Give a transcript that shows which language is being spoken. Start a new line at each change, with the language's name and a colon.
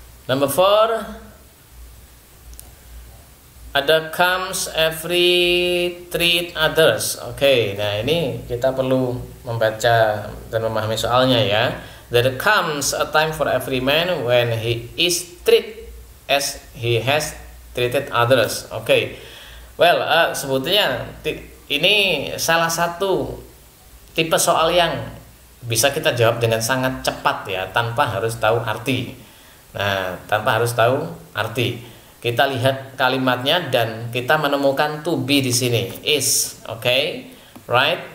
English: Number 4 ada comes every treat others.
Indonesian: Oke, okay, nah ini kita perlu membaca dan memahami soalnya, ya.
English: There comes a time for every man when he is treated as he has treated others.
Indonesian: Oke. Okay. Well, sebetulnya ini salah satu tipe soal yang bisa kita jawab dengan sangat cepat, ya, tanpa harus tahu arti. Nah, tanpa harus tahu arti, kita lihat kalimatnya dan kita menemukan to be di sini, is,
English: okay, right.